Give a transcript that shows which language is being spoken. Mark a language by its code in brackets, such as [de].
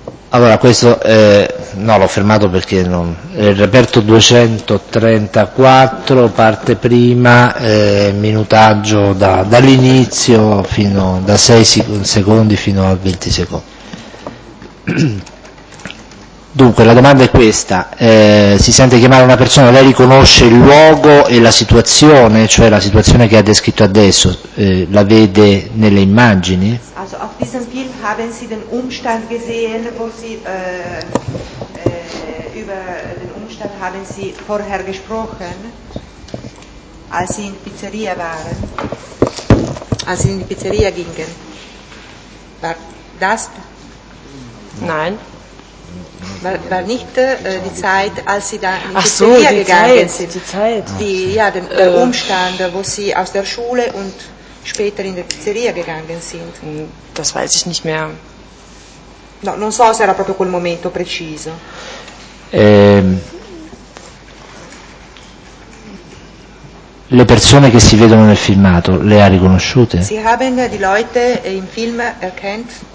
[it] Allora, questo no, l'ho fermato perché non è il reperto 234, parte prima, minutaggio dall'inizio fino da 6 secondi fino a 20 secondi. Dunque, la domanda è questa: si sente chiamare una persona, lei riconosce il luogo e la situazione, cioè la situazione che ha descritto adesso, la vede nelle immagini? [de] In diesem Film haben Sie den Umstand gesehen, wo Sie über den Umstand haben Sie vorher gesprochen, als Sie in die Pizzeria waren, als Sie in die Pizzeria gingen. War das? Nein. War nicht die Zeit, als Sie da in die Pizzeria gegangen sind. Die Zeit. Der Umstand, wo Sie aus der Schule und später in die Pizzeria gegangen sind. Das weiß ich nicht mehr. [it] No, non so se era proprio quel momento preciso. Le persone che si vedono nel filmato, le ha riconosciute? [de] Sie haben die Leute im Film erkannt?